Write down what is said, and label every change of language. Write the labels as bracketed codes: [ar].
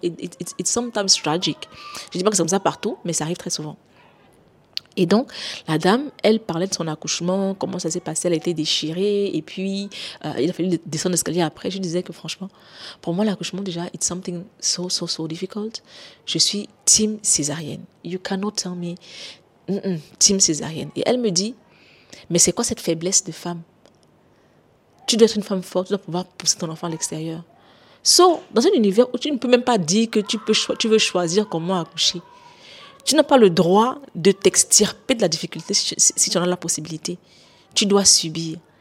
[en] It's sometimes tragic. [fr] Je ne dis pas que c'est comme ça partout, mais ça arrive très souvent. Et donc, la dame, elle parlait de son accouchement, comment ça s'est passé, elle a été déchirée, et puis il a fallu descendre l'escalier après. Je disais que franchement, pour moi, l'accouchement, déjà, [en] it's something so, so, so difficult. [fr] Je suis team césarienne. [en] You cannot tell me, team césarienne. [fr] Et elle me dit, mais c'est quoi cette faiblesse de femme? Tu dois être une femme forte, tu dois pouvoir pousser ton enfant à l'extérieur. So, dans un univers où tu ne peux même pas dire que tu veux choisir comment accoucher. Tu n'as pas le droit de t'extirper de la difficulté si tu en as la possibilité. Tu dois subir.